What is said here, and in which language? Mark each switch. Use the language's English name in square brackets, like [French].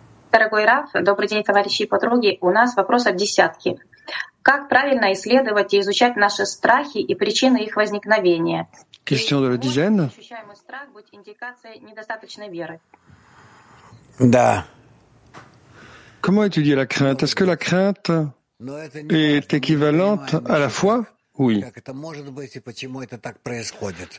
[Russian] Дорогой Раф, добрый день, товарищи и подруги. У нас вопрос от десятки. Как правильно исследовать и изучать наши страхи и причины их возникновения? [French] Question de la dizaine. [Russian] Ощущаемый страх будет индикацией недостаточной веры. Да. [French] Comment étudier la crainte? Est-ce que la crainte est équivalente à la foi? Oui. [Russian] Как это может быть и почему это так происходит?